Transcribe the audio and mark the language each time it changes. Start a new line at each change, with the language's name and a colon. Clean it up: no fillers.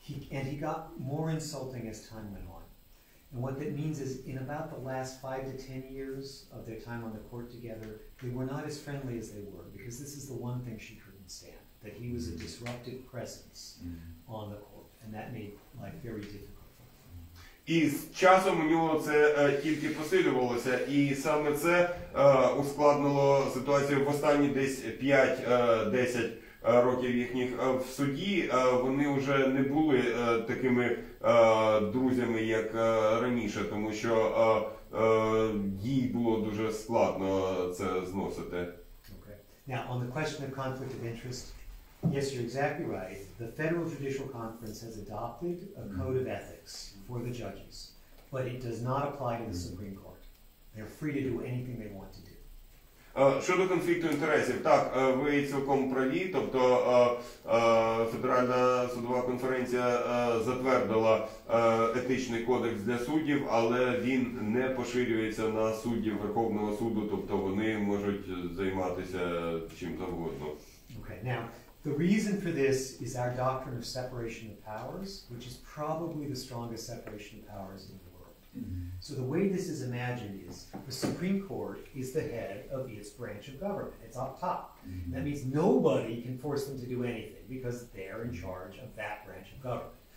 English: And he got more insulting as time went on. And what that means is, in about the last 5 to 10 years of their time on the court together, they were not as friendly as they were, because this is the one thing she couldn't stand, that he was a disruptive presence on the court, and that made life very difficult.
Ukrainian: І з часом у нього це тільки посилювалося, і саме це ускладнило ситуацію в останні десь 5-10 років їхніх в суді. Вони вже не були такими друзями, як раніше, тому що їй було дуже складно це зносити.
English: Okay. Now, on the question of conflict of interest, yes, you're exactly right. The Federal Judicial Conference has adopted a code of ethics for the judges, but it does not apply to the Supreme Court. They're free to do anything they want to do.
Ukrainian: Щодо конфлікту інтересів, так, ви цілком праві, тобто Федеральна судова конференція затвердила етичний кодекс для суддів, але він не поширюється на суддів Верховного суду, тобто вони можуть займатися чим завгодно.
English: Okay, now, the reason for this is our doctrine of separation of powers, which is probably the strongest separation of powers in the world. So the way this is imagined is the Supreme Court is the head of its branch of government. It's up top. That means nobody can force them to do anything because they're in charge of that branch of government.